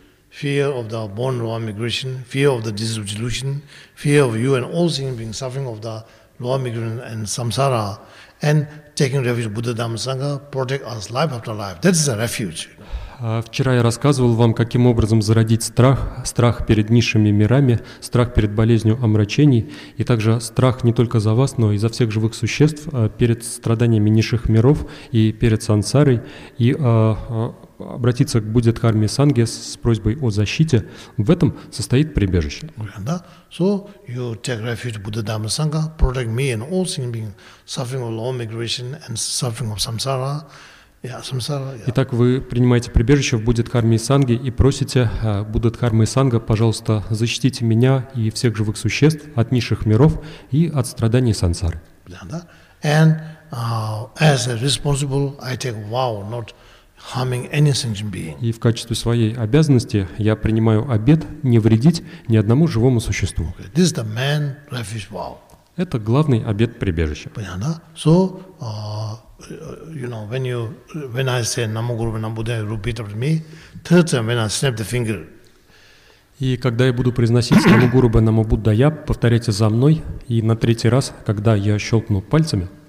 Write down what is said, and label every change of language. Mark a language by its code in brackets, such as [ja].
[en] Fear of the born lower migration, fear of the disillusion, fear of you and all seeing beings suffering of the lower migration and samsara, and taking refuge of Buddha Dhamma Sangha, protect us life after life. That is a refuge. [ru] Вчера я рассказывал вам, каким образом зародить страх перед низшими мирами, страх перед болезнью омрачений, и также страх не только за вас, но и за всех живых существ, перед страданиями низших миров и перед сансарой, и обратиться к Будде Дхарме Санге с просьбой о защите. В этом состоит прибежище. Да? [en] So you take refuge Buddha Dhamma Sangha, protect me and all seeing beings suffering of lower migration and suffering of samsara. [ru] Итак, вы принимаете прибежище в Будде Дхарме и Санге и просите Будде Дхарме и Санга, пожалуйста, защитите меня и всех живых существ от низших миров и от страданий сансары. [en] And as a responsible, I take vow not harming any sentient being. [ru] И в качестве своей обязанности я принимаю обет не вредить ни одному живому существу. [en] Okay. This is the main refuge vow. [ru] Это главный обет прибежища. Понятно? [en] So, you know, when I say Namo Guru Vena Buddha, repeat after me, third time when I snap the finger. [ru] И когда я буду произносить Namo Guru Vena Buddha, я повторяйте за мной, и на третий раз, когда я щелкну пальцами,